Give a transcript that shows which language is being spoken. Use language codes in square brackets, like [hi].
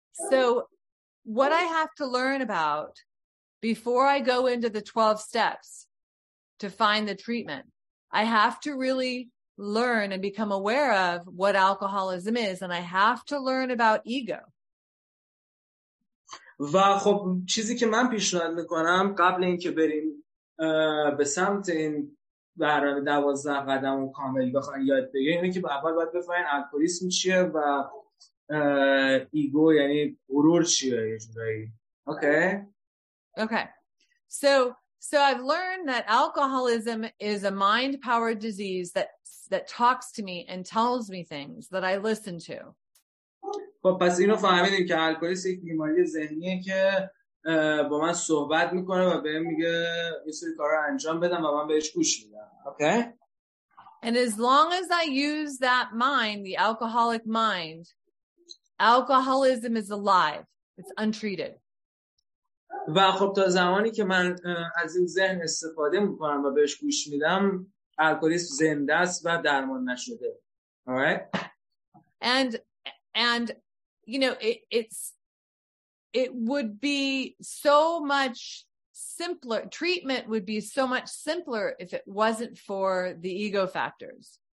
[en] So what I have to learn about before I go into the 12 steps to find the treatment, I have to really learn and become aware of what alcoholism is, and I have to learn about ego. [fa] و خب چیزی که من پیشنهاد میکنم قبل اینکه بریم به سمت این برنامه 12 قدم و کامل بخواین یاد بگیرین، اینه که به اول باید بفهمین الکلیسم چیه و ایگو یعنی غرور چیه یه جورایی. [en] Okay. So I've learned that alcoholism is a mind-powered disease that talks to me and tells me things that I listen to. [fa] خب پس اینو فهمیدیم که الکلیسم یک بیماری ذهنیه که با من صحبت میکنه و بهم میگه یه سری کارا انجام بدم و من بهش گوش میدم. [en] Okay? And as long as I use that mind, the alcoholic mind, alcoholism is alive. It's untreated. [fa] و خب تا زمانی که من از این ذهن استفاده میکنم و بهش گوش میدم، الکلیسم زنده است و درمان نشده. [en] Alright? And you know it would be so much simpler. Treatment would be so much simpler if it wasn't for the ego factors.